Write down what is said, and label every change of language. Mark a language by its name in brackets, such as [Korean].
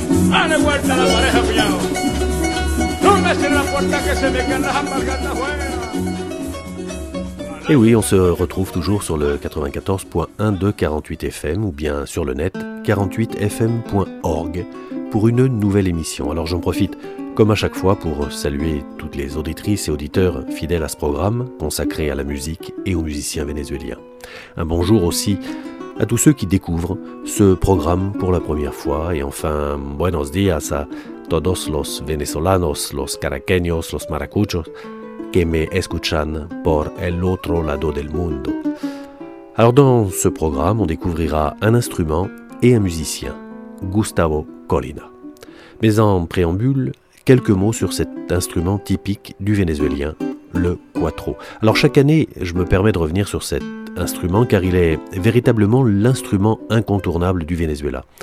[Spanish] Dale vuelta a la pareja, cuñado. No me cierres la puerta que se me quedan las amargas fuera. [French] Et oui, on se retrouve toujours sur le 94.1 de 48FM ou bien sur le net 48FM.org pour une nouvelle émission. Alors j'en profite, comme à chaque fois, pour saluer toutes les auditrices et auditeurs fidèles à ce programme consacré à la musique et aux musiciens vénézuéliens. Un bonjour aussi à tous ceux qui découvrent ce programme pour la première fois. Et enfin, [Spanish] buenos días a todos los venezolanos, los caraqueños, los maracuchos. Que me escuchan por el otro lado del mundo. [French] Alors dans ce programme, on découvrira un instrument et un musicien, Gustavo Colina. Mais en préambule, quelques mots sur cet instrument typique du vénézuélien, le cuatro. Alors chaque année, je me permets de revenir sur cet instrument car il est véritablement l'instrument incontournable du Venezuela.